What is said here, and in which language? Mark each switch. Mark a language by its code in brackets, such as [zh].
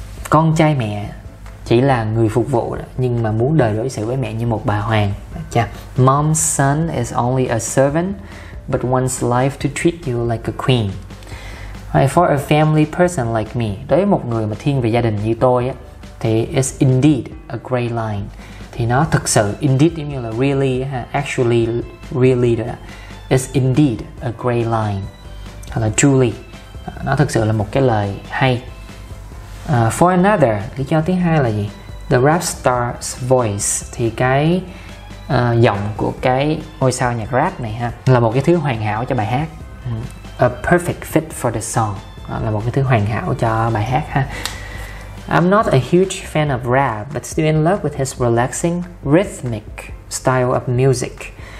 [vi] Con trai mẹ chỉ là người phục vụ đó, nhưng mà muốn đời đối xử với mẹ như một bà hoàng. [en] Mom's son is only a servant but wants life to treat you like a queen. For a family person like me, [vi] đối với một người mà thiên về gia đình như tôi á, thì [en] it's indeed a great line. [vi] Thì nó thực sự, indeed giống như là really, actually, really đó. [en] It's indeed a great line. [vi] Hoặc là truly, nó thực sự là một cái lời hay. For another, lý do thứ hai là gì? [en] The rap star's voice. [vi] Thì cái giọng của cái ngôi sao nhạc rap này ha, là một cái thứ hoàn hảo cho bài hát. [en] A perfect fit for the song, [vi] là một cái thứ hoàn hảo cho bài hát ha. [en] I'm not a huge fan of rap, but still in love with his relaxing, rhythmic style of music.